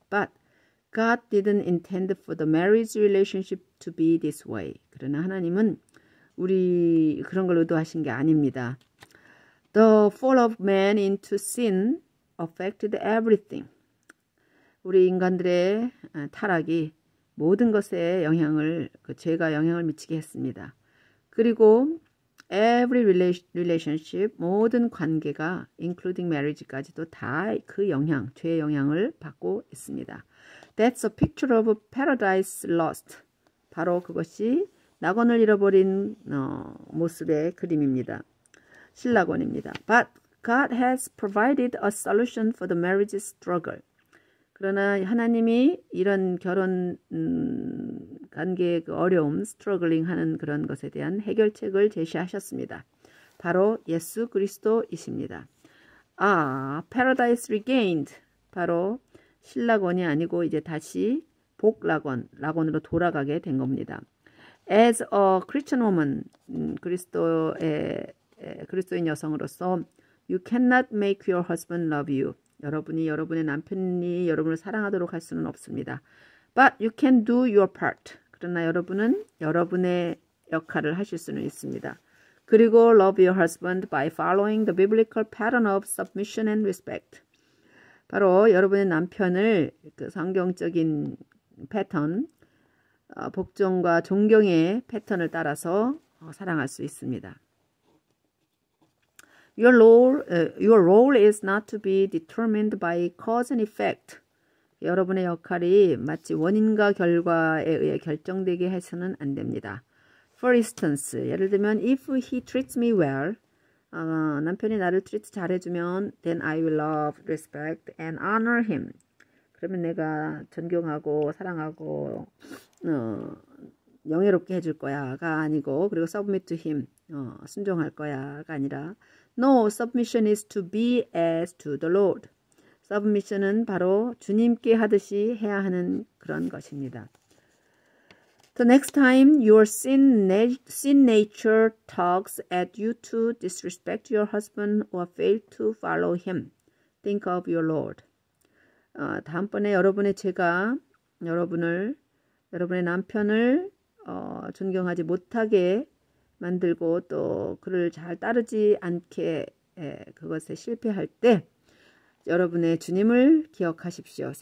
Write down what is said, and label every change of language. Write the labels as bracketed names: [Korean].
[English] But God didn't intend for the marriage relationship to be this way. [Korean] 그러나 하나님은 우리 그런 걸 의도하신 게 아닙니다. [English] The fall of man into sin affected everything. [Korean] 우리 인간들의 타락이 모든 것에 영향을, 그 죄가 영향을 미치게 했습니다. 그리고 [English] every relationship, [Korean] 모든 관계가, [English] including marriage [Korean] 까지도 다그 영향, 죄의 영향을 받고 있습니다. [English] That's a picture of paradise lost. [Korean] 바로 그것이 낙원을 잃어버린 모습의 그림입니다. 신낙원입니다. [English] But God has provided a solution for the marriage struggle. [Korean] 그러나 하나님이 이런 결혼 관계의 그 어려움, struggling 하는 그런 것에 대한 해결책을 제시하셨습니다. 바로 예수 그리스도이십니다. [English] 아, paradise regained. [Korean] 바로 신낙원이 아니고 이제 다시 복낙원, 낙원으로 돌아가게 된 겁니다. [English] As a Christian woman, [Korean] 그리스도의 그리스도인 여성으로서 [English] You cannot make your husband love you. [Korean] 여러분이 여러분의 남편이 여러분을 사랑하도록 할 수는 없습니다. [English] But you can do your part. [Korean] 그러나 여러분은 여러분의 역할을 하실 수는 있습니다. [English] 그리고 love your husband by following the biblical pattern of submission and respect. [Korean] 바로 여러분의 남편을 그 성경적인 패턴, 복종과 존경의 패턴을 따라서 사랑할 수 있습니다. [English] Your role is not to be determined by cause and effect. [Korean] 여러분의 역할이 마치 원인과 결과에 의해 결정되게 해서는 안 됩니다. [English] For instance, [Korean] 예를 들면, [English] if he treats me well, [Korean] 남편이 나를 treat 잘해주면, [English] then I will love, respect, and honor him. [Korean] 그러면 내가 존경하고 사랑하고 영예롭게 해줄 거야가 아니고, 그리고 [English] submit to him, [Korean] 순종할 거야가 아니라, [English] No, submission is to be as to the Lord. [Korean] Submission은 바로 주님께 하듯이 해야 하는 그런 것입니다. [English] The next time your sin nature tugs at you to disrespect your husband or fail to follow him, think of your Lord. [Korean] 다음번에 여러분의 죄가 여러분의 남편을 존경하지 못하게 만들고 또 그를 잘 따르지 않게 그것에 실패할 때 여러분의 주님을 기억하십시오.